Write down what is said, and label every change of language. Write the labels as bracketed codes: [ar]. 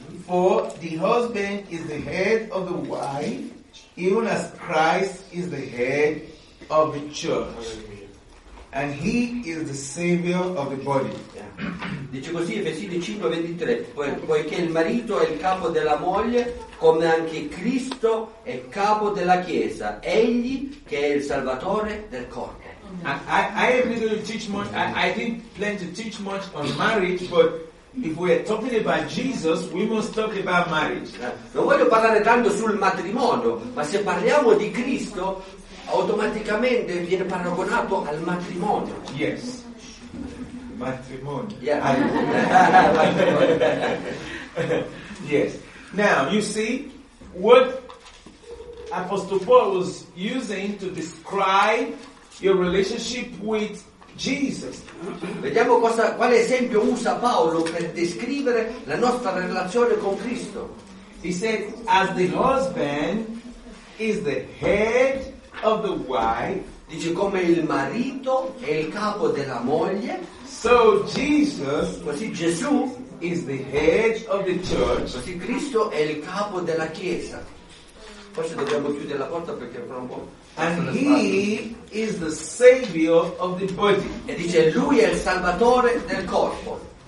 [en] For the husband is the head of the wife, even as Christ is the head of the church. And he is the savior of the body. [it] Dice così Efesini 5:23, poiché il marito è il capo della moglie, come anche Cristo è capo della chiesa, egli che è il salvatore del corpo. [en] I didn't teach much. I didn't plan to teach much on marriage, but if we are talking about Jesus, we must talk about marriage. [it] Non voglio parlare tanto sul matrimonio, ma se parliamo di Cristo, automaticamente viene paragonato al matrimonio. [en] Yes. Matrimonio. Yeah. Yes. Now you see what Apostle Paul was using to describe your relationship with Jesus. [it] Vediamo cosa, quale esempio usa Paolo per descrivere la nostra relazione con Cristo. [en] He said, as the husband is the head of the wife, [it] dice come il marito è il capo della moglie, [en] so Jesus, [it] così Gesù, [en] is the head of the church, [it] così Cristo è il capo della chiesa. Forse dobbiamo chiudere la porta perché fra un po'. [en] And he is the savior of the body. [it] E dice lui è il salvatore del corpo.